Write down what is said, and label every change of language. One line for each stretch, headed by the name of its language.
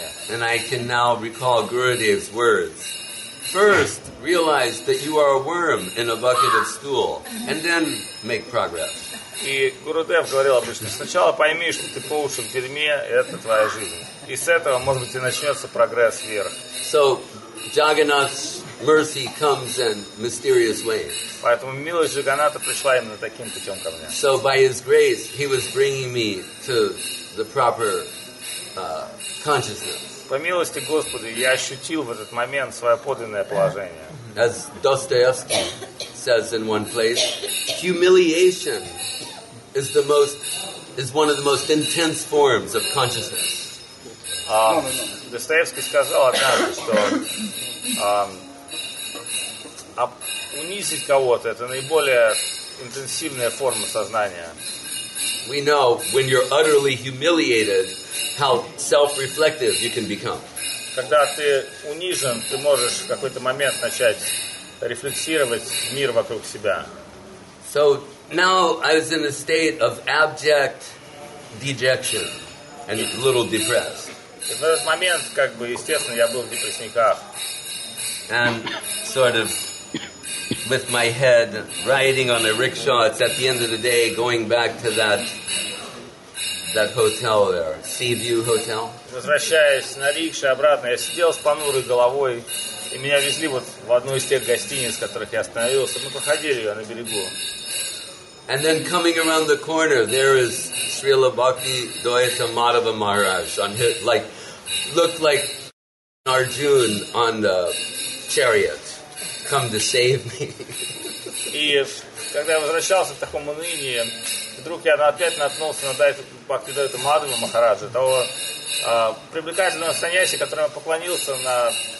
English: And I can now recall Gurudev's words. First, realize that you are a worm in a bucket of stool, and then make progress.
Russian: И Гурудев говорил обычно, сначала пойми, что ты по уши в дерьме, это твоя жизнь. И с этого, может быть, и начнется прогресс вверх.
English: So, Jagannath's mercy comes in mysterious ways.
Russian: Поэтому милость Джаганната пришла именно таким путем ко мне.
English: So, by his grace, he was bringing me to the proper consciousness.
Russian: По милости Господа, я ощутил в этот момент свое подлинное положение.
English: As Dostoevsky says in one place, humiliation is one of the most intense forms of consciousness.
Russian: Достоевский сказал однажды, что унизить кого-то — это наиболее интенсивная форма сознания.
English: We know when you're utterly humiliated how self-reflective you can become.
Russian: Когда ты унижен, ты можешь в какой-то момент начать рефлексировать мир вокруг себя.
English: So now I was in a state of abject dejection and a little depressed.
Russian: И в этот момент, как бы, естественно, я был в депрессниках.
English: And sort of with my head riding on a rickshaw, it's at the end of the day going back to that hotel there, Sea View Hotel.
Russian: Возвращаясь на рикше обратно, я сидел с понурой головой. И меня везли вот в одну из тех гостиниц, в которых я остановился. Мы проходили ее на берегу.
English: And then coming around the corner, there is Srila Bhakti Doyata Madhava Maharaj on his, like, looked like Arjuna on the chariot, come to save me.
Russian: И когда я возвращался в таком унынии, вдруг я опять наткнулся на Бхакти Дойта Мадхава Махараджа, того привлекательного саньяси, которому поклонился на...